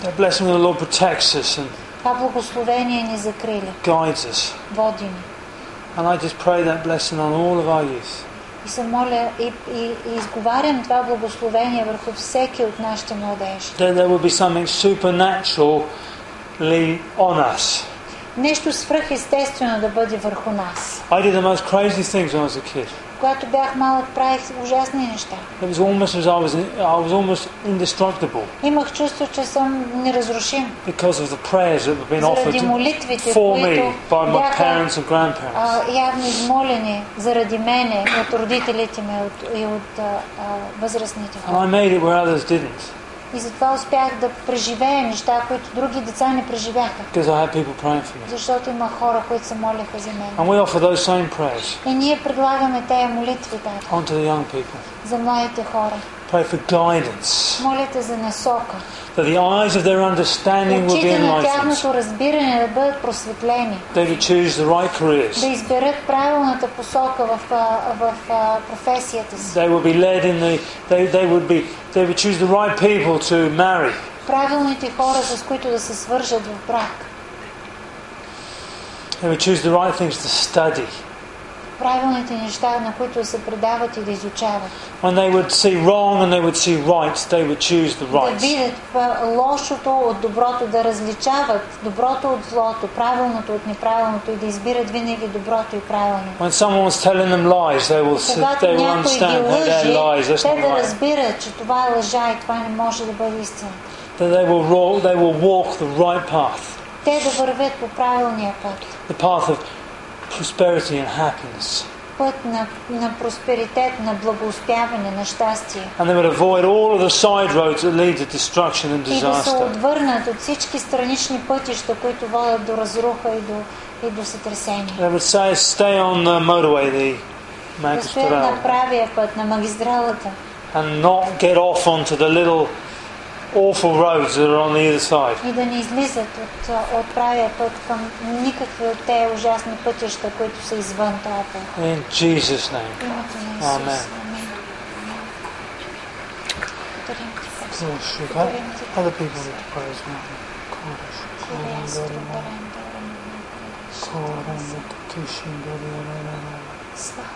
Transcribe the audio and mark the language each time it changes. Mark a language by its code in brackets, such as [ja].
[en] The blessing of the Lord protects us and [bg] това благословение ни закриля. [en] Guides us. [bg] Води ни. [en] And I just pray that blessing on all of our youth. [bg] И се моля и изговарям това благословение върху всеки от нашите младежи. [en] That there will be something supernaturally on us. [bg] Нещо свръхестествено да бъде върху нас. [en] I did the most crazy things when I was a kid. [bg] Когато бях малък, правих ужасни неща. [en] It was almost as I was almost indestructible. [bg] Имах чувство, че съм неразрушим. [en] Because of the prayers that have been offered for me by my parents and grandparents. [bg] Явно измолени заради мене от родителите ми и от възрастните хора. [en] And I made it where others didn't. [bg] И затова успях да преживея неща, които други деца не преживяха. [en] Because I had people praying for me. [bg] Защото има хора, които се молеха за мен. [en] And we offer those same prayers. [bg] И ние предлагаме тези молитви, Тато. [en] Onto the young people. [bg] За младите хора. [en] Pray for guidance. [bg] Молете за насока. [en] That the eyes of their understanding will be enlightened. [bg] Очите на тяхното разбиране да бъдат просветлени. [en] They will choose the right careers. [bg] Да изберат правилната посока в професията си. [en] They will be led in the they will choose the right people to marry. [bg] Правилните хора, с които да се свържат в брак. [en] They will choose the right things to study. [bg] правилните неща, на които се предават или изучават. [en] When they would see wrong and they would see right, they would choose the right. [bg] Да видят лошото от доброто, да различават доброто от злото, правилното от неправилното и да избират винаги доброто и правилното. [en] When someone's telling them lies, they will understand that they're lies. That's not right. [bg] Те да разбират, че това е лъжа и това не може да бъде истина. [en] That they will walk the right path. [bg] Те да вървят по правилния път. [en] The path of prosperity and happiness. [bg] Път на просперитет, на благоуспяване, на щастие. [en] And they would avoid all of the side roads that lead to destruction and disaster. [bg] И да се отвърнат от всички странични пътища, които водят до разруха и до сътресение. [en] They would say, stay on the motorway, the [bg] magistrale. На правия път, на магистралата. [en] And not get off onto the little awful roads that are on either side. [bg] И да не излизат от правия път към никакви от тези ужасни пътища, които са извън този път. [en] In Jesus' name. Amen. Other people need to pray as well.